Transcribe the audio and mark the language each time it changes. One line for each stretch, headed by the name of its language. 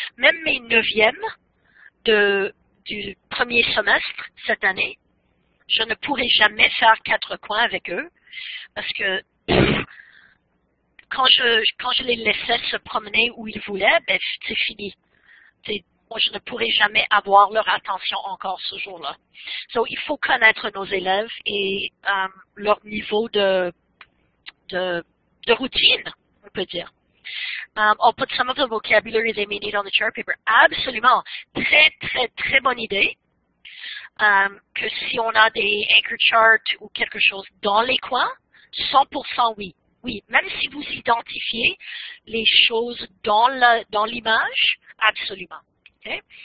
French: Même mes neuvièmes, du premier semestre cette année, je ne pourrai jamais faire quatre coins avec eux parce que quand je les laissais se promener où ils voulaient, ben c'est fini. Moi, je ne pourrai jamais avoir leur attention encore ce jour-là. Donc, il faut connaître nos élèves et leur niveau de routine, on peut dire.
English: On put some of the vocabulary they may need on the chart paper.
French: Absolument. Très, très, très bonne idée. Que si on a des anchor charts ou quelque chose dans les coins, 100% oui. Oui, même si vous identifiez les choses dans l'image, absolument. Okay.